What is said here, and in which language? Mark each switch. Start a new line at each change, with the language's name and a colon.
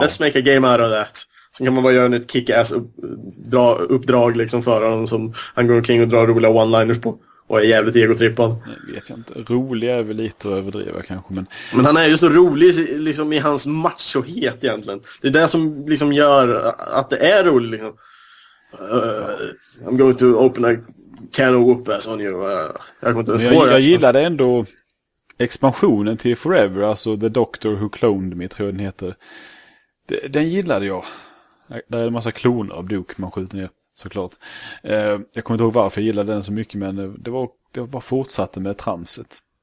English: Let's make a game out of that.
Swedish: Sen kan man bara göra ett kickass uppdrag liksom för honom som han går omkring och drar roliga one-liners på och är jävligt egotrippad. Vet jag inte. Rolig är väl lite att överdriva kanske, men... Men han är ju så rolig liksom i hans machohet egentligen. Det är det som liksom gör att det är roligt liksom.
English: I'm going to open a can of whoopers on you.
Swedish: Jag gillade ändå expansionen till Forever, alltså The Doctor Who Cloned Me tror jag den heter. Den gillade jag. Där är en massa kloner av Duke man skjuter ner, såklart. Jag kommer inte ihåg varför jag gillade den så mycket, men det var bara fortsatte med tramset.